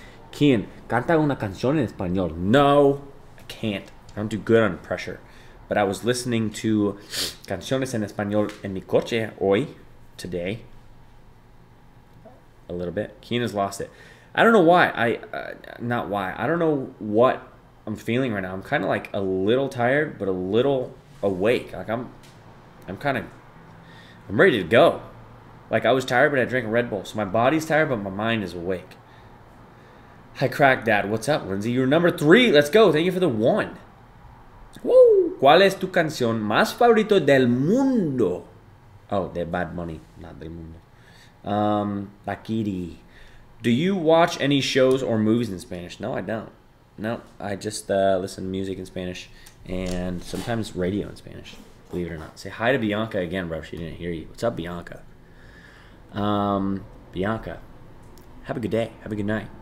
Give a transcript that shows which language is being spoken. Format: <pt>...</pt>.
<es>Kian, canta una canción en español.</es> <en>No, I can't. I don't do good on pressure. But I was listening to</en> <es>canciones en español en mi coche hoy,</es> <en>today. A little bit. Kian has lost it. I don't know why. I don't know what I'm feeling right now. I'm kind of like a little tired, but a little awake. Like I'm ready to go. Like I was tired, but I drank a Red Bull. So my body's tired, but my mind is awake. Hi, Crack Dad. What's up, Lindsay? You're number 3. Let's go. Thank you for the 1. Woo!</en> <es>¿Cuál es tu canción más favorito del mundo? Oh, de Bad Bunny. Not del mundo. Bakiri.</es> <en>Do you watch any shows or movies in Spanish? No, I don't. No, I just listen to music in Spanish and sometimes radio in Spanish, believe it or not. Say hi to Bianca again, bro. She didn't hear you. What's up, Bianca? Bianca, have a good day. Have a good night.</en>